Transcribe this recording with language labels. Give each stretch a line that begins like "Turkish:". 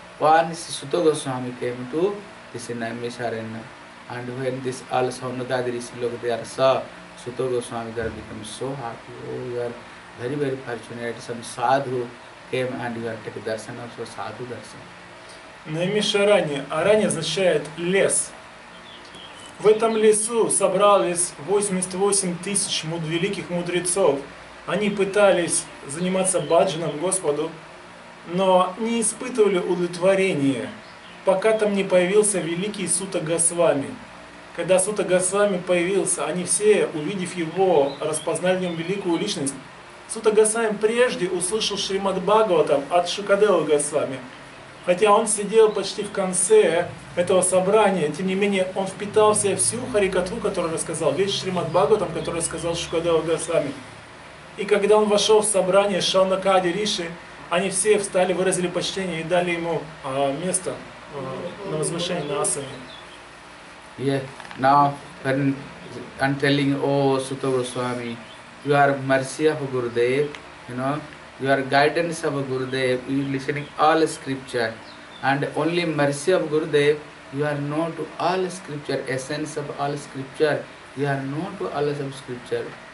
English: Once Sutta Goswami came to, this name is Aranya. And when this all Saunadadiris look, they are saw, Sutta Goswami, they become so happy. Oh, you are very, very fortunate. Some sadhu came and you are taking darshan, also sadhu darshan.
Russian: Наймишаранья. Аранья означает лес. В этом лесу собрались 88 тысяч великих мудрецов. Они пытались заниматься баджаном Господу, но не испытывали удовлетворения, пока там не появился великий Сутта Госвами. Когда Сутта Госвами появился, они все, увидев его, распознали в нем великую личность. Сутта Госвами прежде услышал Шримад Бхагаватам от Шукадева Госвами. Хотя он сидел почти в конце этого собрания, тем не менее он впитал в себя всю харикатву, которую рассказал, весь Шримад Бхагаватам, который рассказал Шукадева Госвами. И когда он вошел в собрание Шаунакади Риши, они все встали, выразили почтение и дали ему место на возвышении на асане.
English: Yeah, now when I'm telling, oh, Sutta Goswami, you are mercy of Gurudev, you know. Your guidance of Gurudev, you are listening all scripture, and only mercy of Gurudev, you are known to all scripture, essence of all scripture, you are known to all of scripture.